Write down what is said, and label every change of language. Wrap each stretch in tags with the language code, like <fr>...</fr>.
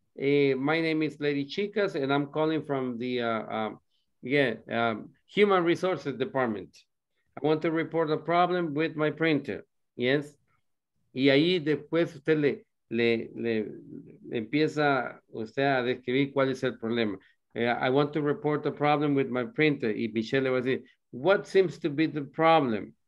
<en>My name is Lady Chicas, and I'm calling from the Human Resources Department. I want to report a problem with my printer. Yes.</en> <es>Y ahí después usted le empieza usted a describir cuál es el problema.</es> <en>I want to report a problem with my printer.</en> <es>Y Michelle va a decir,</es> <en>what seems to be the problem?</en>